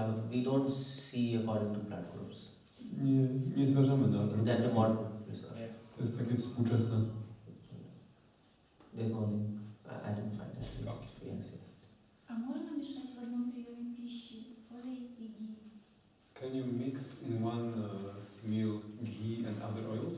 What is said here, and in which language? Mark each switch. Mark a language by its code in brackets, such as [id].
[en] We don't see according to blood groups. [pl] Nie zważamy na grupy. [en] That's a modern research. [pl] To jest takie współczesne. [en] There's no link. I didn't find that. Okay. Yes, yeah. [pl] A można mieszać w jednym przyjemie piśni olej i ghee? [en] Can you mix in one meal ghee and other oils?